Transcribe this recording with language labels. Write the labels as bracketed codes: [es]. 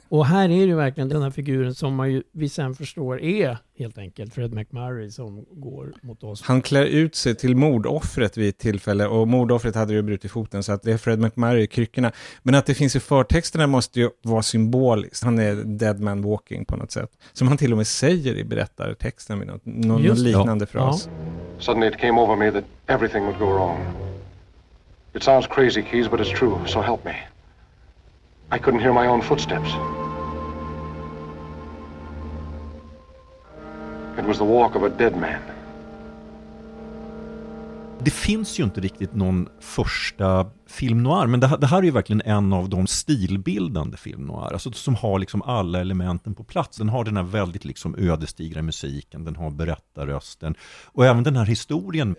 [sv] Och här är det verkligen den här figuren som man ju, vi sen förstår är helt enkelt Fred McMurray som går mot oss. Han klär ut sig till mordoffret vid ett tillfälle, och mordoffret hade ju brutit foten, så att det är Fred McMurray i kryckorna. Men att det finns i förtexterna måste ju vara symboliskt. Han är [en] dead man walking [sv] på något sätt. Som han till och med säger i berättartexten med någon liknande fras. Ja. [en] Suddenly it came over me that everything would go wrong. It sounds crazy, Keys, but it's true, so help me. I couldn't hear my own footsteps. It was the walk of a dead man. [sv] Det finns ju inte riktigt någon första film noir, men det här är ju verkligen en av de stilbildande film noir, alltså som har liksom alla elementen på plats. Den har den här väldigt liksom ödesdigra musiken, den har berättarrösten och även den här historien.